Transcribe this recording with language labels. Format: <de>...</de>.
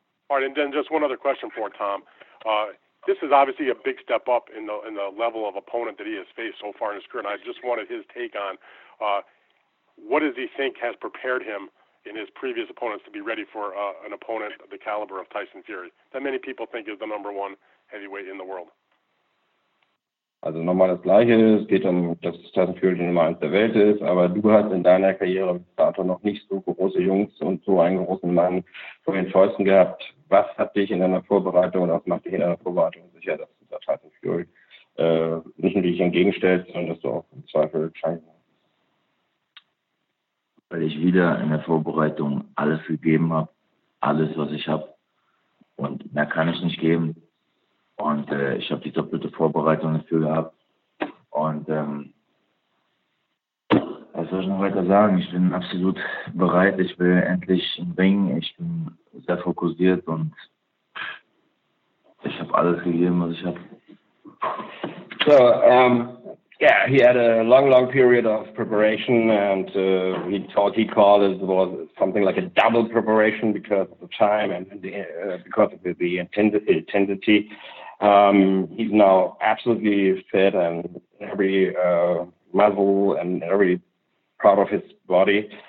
<en>All right, and then just one other question for Tom. This is obviously a big step up in the level of opponent that he has faced so far in his career, and I just wanted his take on what does he think has prepared him in his previous opponents to be ready for an opponent of the caliber of Tyson Fury, that many people think is the number one heavyweight in the world?</en> <de>Also nochmal das Gleiche, es geht um, dass Tyson Fury der Nummer 1 der Welt ist, aber du hast in deiner Karriere bis dato noch nicht so große Jungs und so einen großen Mann vor den Fäusten gehabt. Was hat dich in deiner Vorbereitung oder was macht dich in deiner Vorbereitung sicher, dass du da Tyson Fury nicht nur dich entgegenstellst, sondern dass du auch im Zweifel scheinbar. Weil ich wieder in der Vorbereitung alles gegeben habe, alles, was ich habe. Und mehr kann ich nicht geben. Und ich habe die doppelte Vorbereitung dafür gehabt. Und was soll ich noch weiter sagen? Ich bin absolut bereit. Ich will endlich im Ring. Ich bin sehr fokussiert und ich habe alles gegeben, was ich habe.</de> <en>So, yeah, he had a long, long period of preparation, and he called it was something like a double preparation because of the time and because of the intensity. He's now absolutely fit and every muscle and every part of his body.</en>